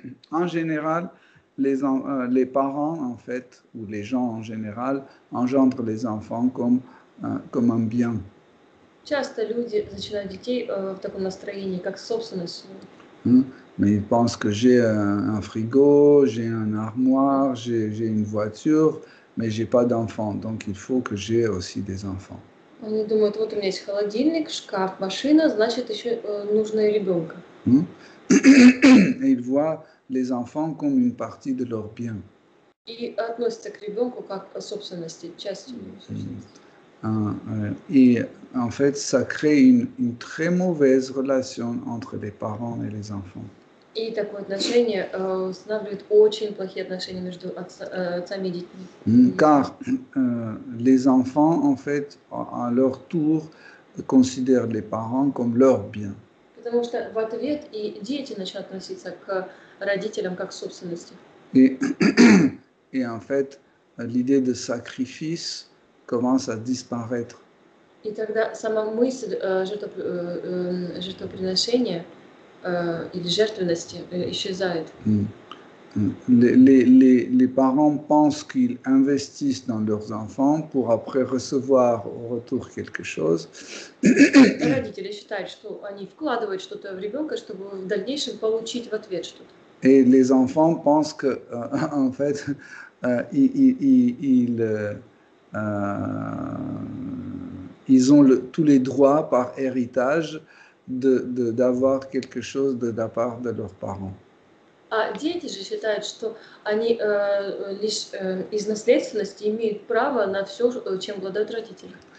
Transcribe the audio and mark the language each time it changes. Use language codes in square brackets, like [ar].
[fr] En général, les parents, en fait, ou les gens en général, engendrent les enfants comme un bien. [ru] Часто люди начинают детей в таком настроении, как собственность. [fr] Mais ils pensent que j'ai un frigo, j'ai un armoire, j'ai une voiture, mais j'ai pas d'enfants, donc il faut que j'ai aussi des enfants. [ru] Они думают, вот у меня есть холодильник, шкаф, машина, значит еще нужно и ребенка. [fr] Et ils voient les enfants comme une partie de leur bien. [ru] И относятся к ребенку как к собственности, частью его собственности. [fr] Et en fait, ça crée une très mauvaise relation entre les parents et les enfants. [ru] И такое отношение устанавливает очень плохие отношения между отцами и детьми. [fr] Car les enfants, en fait, à leur tour, considèrent les parents comme leur bien. [ru] Потому что в ответ и дети начинают относиться к родителям как к собственности. [fr] Et en fait, l'idée de sacrifice commence à disparaître. [ru] И тогда сама мысль жертвоприношения или жертвенности исчезает. [fr] Les parents pensent qu'ils investissent dans leurs enfants pour après recevoir au retour quelque chose. [ru] Родители считают, что они вкладывают что-то в ребенка, чтобы в дальнейшем получить в ответ что-то. [fr] Et les enfants pensent que, en fait, ils ont tous les droits par héritage d'avoir quelque chose de la part de leurs parents. [ru] А дети же считают, что они лишь из наследственности имеют право на все, чем обладают родители.